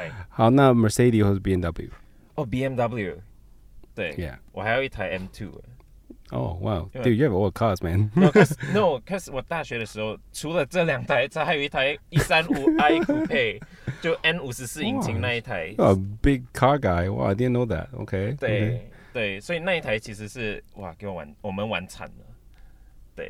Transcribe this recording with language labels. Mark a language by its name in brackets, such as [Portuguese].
[Chinese] 好，那 Mercedes 或是 BMW？哦 ，BMW。对。 [English] Yeah. [Chinese] 我还有一台 M2。 [English] Oh wow, dude, you have all cars, man. [Chinese] No, cause 我大学的时候，除了这两台车，还有一台135i Coupe， 就 N54 引擎那一台。 [English] Wow, a big car guy. Wow, I didn't know that. Okay. [Chinese] 对。 [English] Okay. [Chinese] 对，所以那一台其实是哇，给我们玩惨了。